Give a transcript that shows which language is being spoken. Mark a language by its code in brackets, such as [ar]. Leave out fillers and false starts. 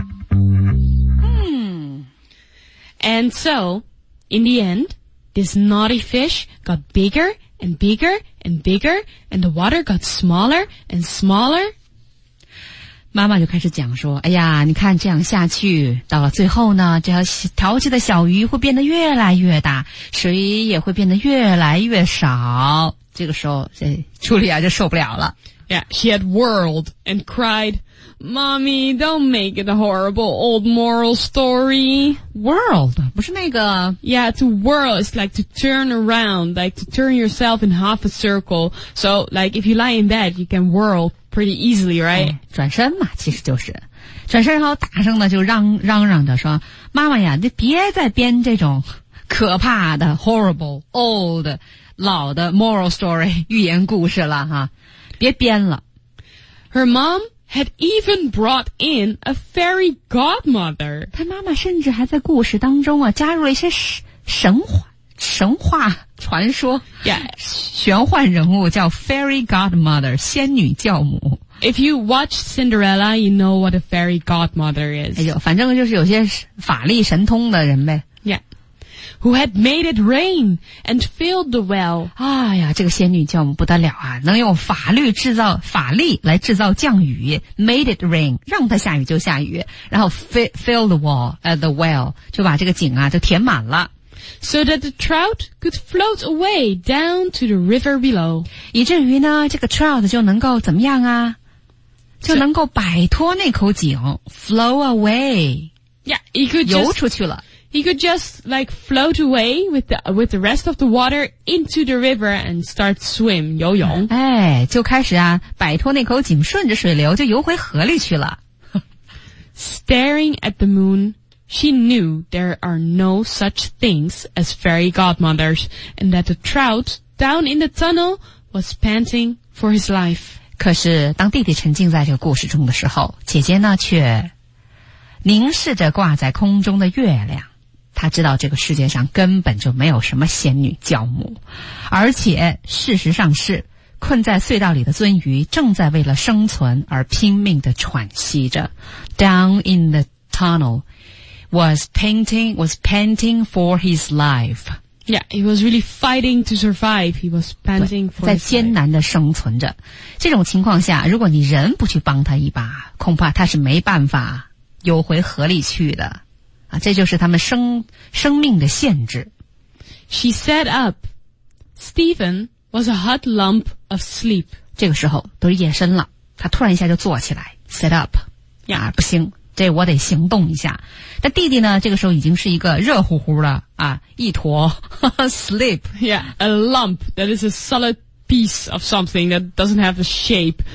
[en] 、And so, in the end,This naughty fish got bigger and bigger and bigger, and the water got smaller and smaller. [zh] 妈妈就开始讲说，哎呀，你看这样下去，到了最后呢，这条淘气的小鱼会变得越来越大，水也会变得越来越少。这个时候，哎，茱莉亚就受不了了。 [en] Yeah, she had whirled and cried, Mommy, don't make it a horrible old moral story. [zh] World, 不是那个 [en] Yeah, to whirl is like to turn around, like to turn yourself in half a circle. So, like, if you lie in bed, you can whirl pretty easily, right?、 [zh] 哎、转身嘛，其实就是。转身然后大声的就嚷嚷着说，妈妈呀，你别再编这种可怕的 [en] horrible, old, [zh] 老的 [en] moral story, [zh] 寓言故事了哈，别编了。 [en] Her mom? Had even brought in a fairy godmother. [zh] 她妈妈甚至还在故事当中啊，加入了一些神话传说。 [en] Yeah, [zh] 玄幻人物叫 fairy godmother, 仙女教母。 [en] If you watch Cinderella, you know what a fairy godmother is. [zh] 哎呦，反正就是有些法力神通的人呗。 [en] Yeah, who had made it rain and filled the well. [zh] 哎呀，这个仙女教母不得了啊，能用法力来制造降雨 , [en] made it rain, [zh] 让它下雨就下雨，然后 [en] fill the well, [zh] 就把这个井啊就填满了。 [en] so that the trout could float away down to the river below. [zh] 以至于呢，这个 trout 就能够怎么样啊？就能够摆脱那口井 ， [en] flow away. Yeah, he could just, [zh] 游出去了。 [en] He could just like float away with the rest of the water into the river and start swim [zh] 游泳。哎，就开始啊，摆脱那口井，顺着水流就游回河里去了。 [en] Staring at the moon, she knew there are no such things as fairy godmothers, and that the trout down in the tunnel was panting for his life. [zh] 可是当弟弟沉浸在这个故事中的时候，姐姐呢却凝视着挂在空中的月亮，他知道这个世界上根本就没有什么仙女教母，而且事实上是困在隧道里的鳟鱼正在为了生存而拼命地喘息着。 [en] Down in the tunnel was panting for his life. Yeah, he was really fighting to survive. He was panting for his life. [zh] 在艰难地生存着。这种情况下，如果你人不去帮他一把，恐怕他是没办法游回河里去的。啊，这就是他们生命的限制。 [en] She sat up. Stephen was a hot lump of sleep. [zh] 这个时候都是夜深了，他突然一下就坐起来 ， [en] sit up. Yeah. [zh] 啊，不行，这我得行动一下。但弟弟呢，这个时候已经是一个热乎乎的啊，一坨sleep. [en] Yeah, a lump that is a solid piece of something that doesn't have a shape.